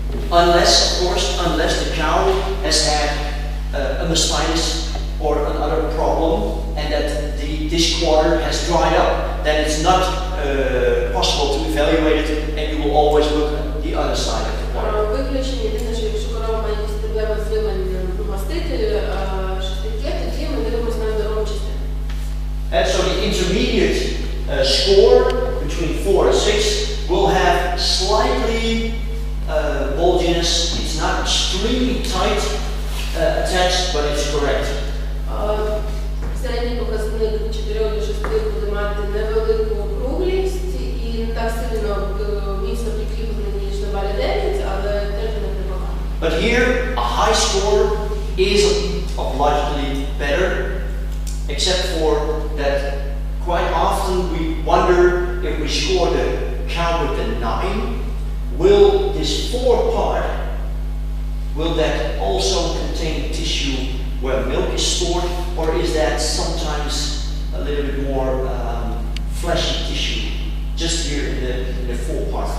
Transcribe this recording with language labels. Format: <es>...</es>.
<en>Unless the cow has had a mastitis or another problem and that this quarter has dried up, then it's not possible to evaluate it, and you will always look at the other side of the quarter.</en> <uk>Виключення, єдине, що якщо корова має якісь проблеми з вимином маститі, тоді ми дивимося на здорову частину.</uk> <en>So the intermediate score between 4 and 6 will have slightly bulginess. It's not extremely tight attached, but it's correct.</en> <uk>Середній показник 4 до 6 буде мати невелику округлість і не так сильно міцно прикріплено, ніж на балі 9, але теж непогано.</uk> <en>But here a high score is logically better, except for that quite often we wonder if we score the cow with the 9, will this 4 part, will that also contain tissue where milk is stored, or is that sometimes a little bit more fleshy tissue just here in the forepart?</en>